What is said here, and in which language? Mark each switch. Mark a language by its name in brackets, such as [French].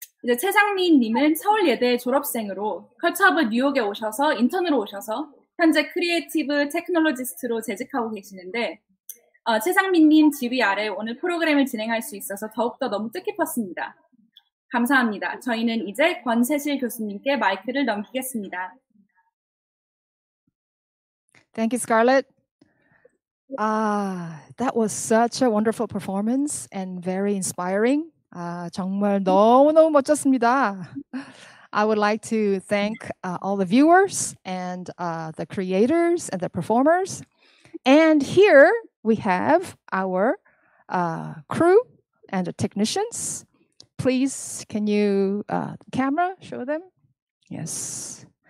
[Korean] 이제 최상민님은 서울예대 졸업생으로 컬처허브 뉴욕에 오셔서 인턴으로 오셔서 현재 크리에이티브 테크놀로지스트로 재직하고 계시는데 최상민님 지휘 아래 오늘 프로그램을 진행할 수 있어서 더욱더 너무 뜻깊었습니다. 감사합니다. 저희는 이제 권세실 교수님께 마이크를 넘기겠습니다. [English] Thank you, Scarlett. That was such a wonderful performance and very inspiring. [Korean] 아, 정말 너무너무 멋졌습니다. [English] I would like to thank all the viewers and the creators and the performers. And here we have our crew and the technicians. Please, can you camera show them? Yes.